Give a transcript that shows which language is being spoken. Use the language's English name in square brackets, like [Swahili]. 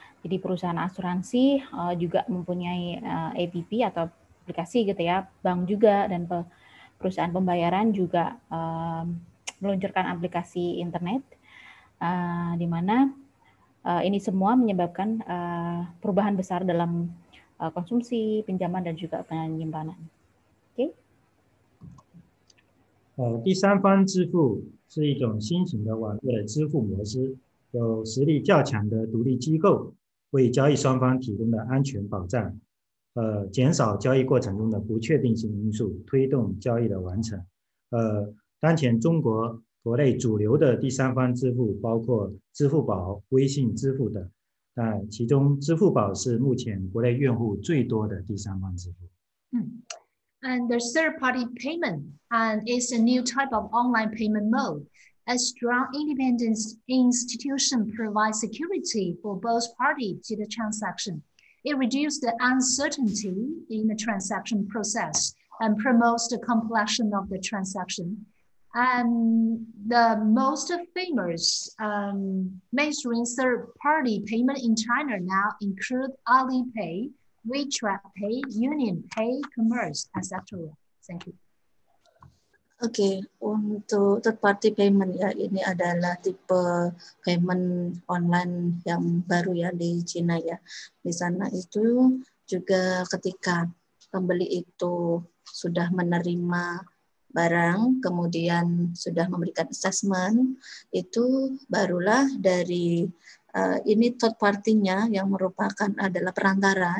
[Indonesian] Jadi perusahaan asuransi juga mempunyai APP atau aplikasi gitu ya, bank juga, dan perusahaan pembayaran juga meluncurkan aplikasi internet, di mana ini semua menyebabkan perubahan besar dalam konsumsi, pinjaman, dan juga penyimpanan. Oke? [Chinese] 第三方支付是一种新型的网络的支付模式，有实力较强的独立机构为交易双方提供的安全保障，减少交易过程中的不确定性因素，推动交易的完成。当前中国国内主流的第三方支付包括支付宝、微信支付等，但其中支付宝是目前国内用户最多的第三方支付。 [English] And the third party payment is a new type of online payment mode. A strong independent institution provides security for both parties to the transaction. It reduces the uncertainty in the transaction process and promotes the completion of the transaction. And the most famous mainstream third party payment in China now include Alipay, WeChat Pay, Union Pay, Commerce, etc. Thank you. [Indonesian] Okay, untuk third party payment ya, ini adalah tipe payment online yang baru ya di China ya. Di sana itu juga ketika pembeli itu sudah menerima barang, kemudian sudah memberikan assessment, itu barulah dari ini third party-nya yang merupakan adalah perantara.